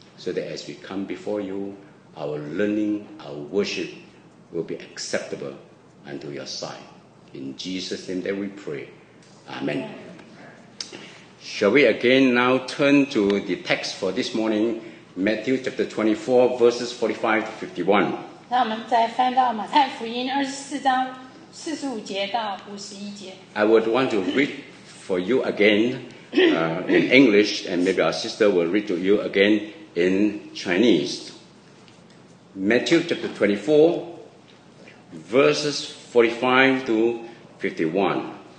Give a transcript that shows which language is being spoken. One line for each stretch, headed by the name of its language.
English: So that as we come before you, our learning, our worship will be acceptable unto your sight. In Jesus' name that we pray. Amen. Shall we again now turn to the text for this morning, Matthew chapter 24, verses 45 to 51.
Chinese: 那我们再翻到马太福音24章45节到51节。
English: I would want to read for you again in English, and maybe our sister will read to you again in Chinese. Matthew chapter 24, verses 45 to 51.